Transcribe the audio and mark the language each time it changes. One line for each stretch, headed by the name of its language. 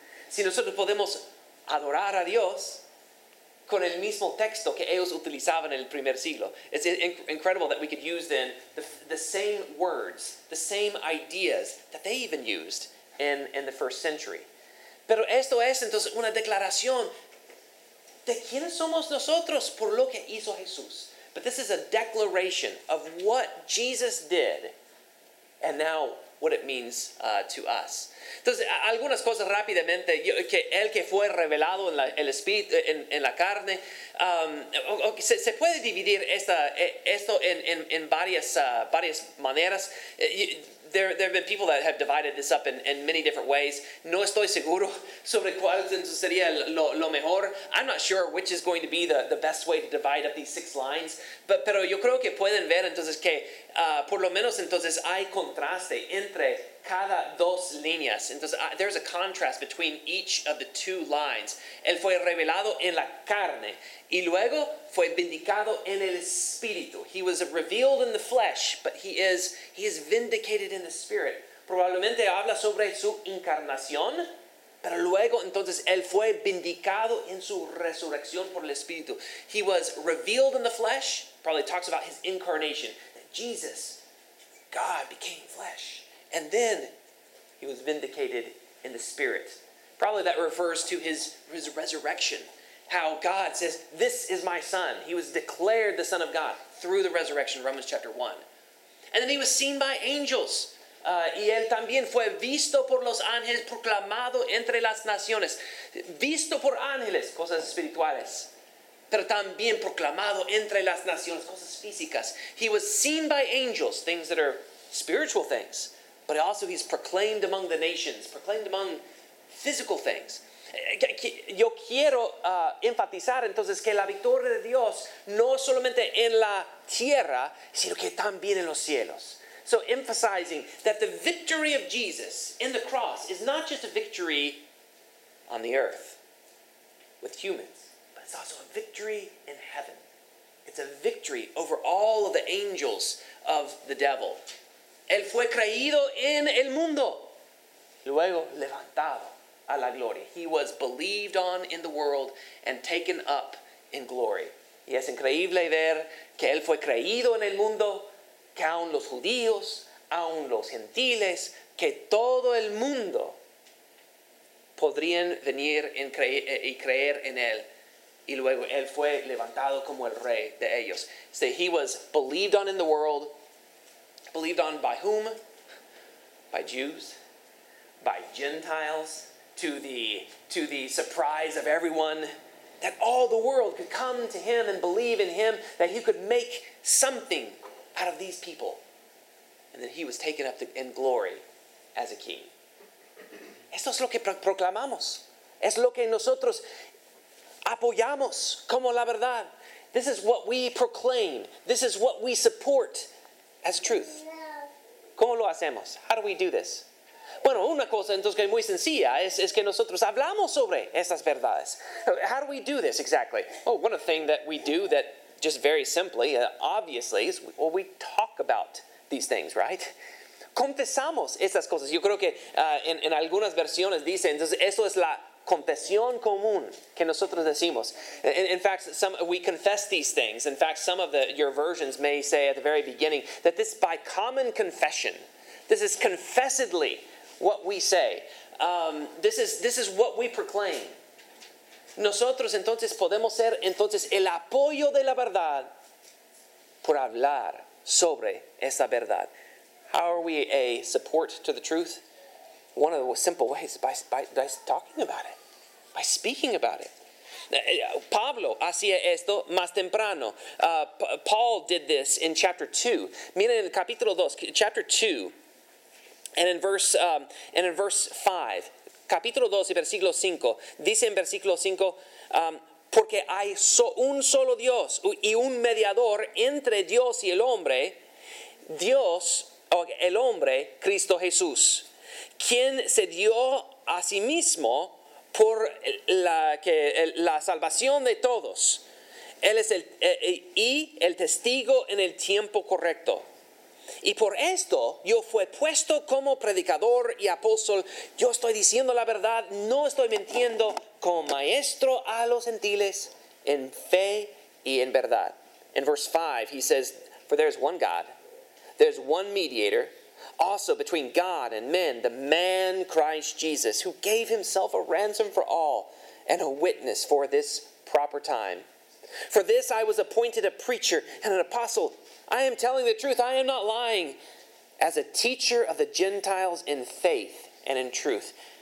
Spanish: Si nosotros podemos adorar a Dios con el mismo texto que ellos utilizaban en el primer siglo.
English: It's incredible that we could use then the same words, the same ideas that they even used in the first century.
Spanish: Pero esto es entonces una declaración de quiénes somos nosotros por lo que hizo Jesús.
English: But this is a declaration of what Jesus did and now what it means to us.
Spanish: Entonces, algunas cosas rápidamente, que el que fue revelado en el espíritu, en la carne, se puede dividir esto en varias maneras.
English: There have been people that have divided this up in many different ways.
Spanish: No estoy seguro sobre cuál sería lo mejor.
English: I'm not sure which is going to be the best way to divide up these six lines.
Spanish: Pero yo creo que pueden ver entonces que por lo menos entonces hay contraste entre cada dos líneas.
English: Entonces, there's a contrast between each of the two lines.
Spanish: Él fue revelado en la carne y luego fue vindicado en el espíritu.
English: He was revealed in the flesh, but he is vindicated in the spirit.
Spanish: Probablemente habla sobre su encarnación, pero luego entonces él fue vindicado en su resurrección por el espíritu.
English: He was revealed in the flesh, probably talks about his incarnation. Jesus, God, became flesh. And then he was vindicated in the spirit. Probably that refers to his resurrection. How God says, this is my son. He was declared the son of God through the resurrection, Romans chapter 1. And then he was seen by angels.
Spanish: Y él también fue visto por los ángeles, proclamado entre las naciones. Visto por ángeles, cosas espirituales. Pero también proclamado entre las naciones, cosas físicas.
English: He was seen by angels, things that are spiritual things. But also he's proclaimed among the nations, proclaimed among physical things.
Spanish: Yo quiero enfatizar entonces que la victoria de Dios no solamente en la tierra, sino que también en los cielos.
English: So emphasizing that the victory of Jesus in the cross is not just a victory on the earth with humans, but it's also a victory in heaven. It's a victory over all of the angels of the devil.
Spanish: Él fue creído en el mundo, luego levantado a la gloria.
English: He was believed on in the world and taken up in glory.
Spanish: Y es increíble ver que él fue creído en el mundo, que aun los judíos, aun los gentiles, que todo el mundo podrían venir y creer en él. Y luego él fue levantado como el rey de ellos.
English: So he was believed on in the world. Believed on by whom? By Jews, by Gentiles, to the surprise of everyone, that all the world could come to him and believe in him, that he could make something out of these people, and that he was taken up in glory as a king.
Spanish: Esto es lo que proclamamos. Es lo que nosotros apoyamos como la verdad.
English: This is what we proclaim. This is what we support as truth.
Spanish: ¿Cómo lo hacemos?
English: How do we do this?
Spanish: Bueno, una cosa entonces que es muy sencilla es que nosotros hablamos sobre estas verdades.
English: How do we do this exactly? Oh, one thing that we do that just very simply, obviously, is we talk about these things, right?
Spanish: Confesamos estas cosas. Yo creo que en algunas versiones dicen, entonces eso es la confesión común que nosotros decimos.
English: In fact, we confess these things. In fact, some of your versions may say at the very beginning that this by common confession, this is confessedly what we say. This is what we proclaim.
Spanish: Nosotros entonces podemos ser entonces el apoyo de la verdad por hablar sobre esa verdad.
English: How are we a support to the truth? One of the simple ways is by talking about it. By speaking about it.
Spanish: Pablo hacía esto más temprano.
English: Paul did this in chapter 2.
Spanish: Miren en el capítulo 2,
English: chapter 2, and in verse 5.
Spanish: Capítulo 2 y versículo 5. Dice en versículo 5, Porque hay un solo Dios y un mediador entre Dios y el hombre, Dios, el hombre, Cristo Jesús, quien se dio a sí mismo por la salvación de todos. Él es el testigo en el tiempo correcto. Y por esto yo fui puesto como predicador y apóstol. Yo estoy diciendo la verdad, no estoy mintiendo, como maestro a los gentiles en fe y en verdad.
English: In verse 5, he says, "For there is one God, there is one mediator, also between God and men, the man Christ Jesus, who gave himself a ransom for all and a witness for this proper time. For this I was appointed a preacher and an apostle. I am telling the truth, I am not lying, as a teacher of the Gentiles in faith and in truth."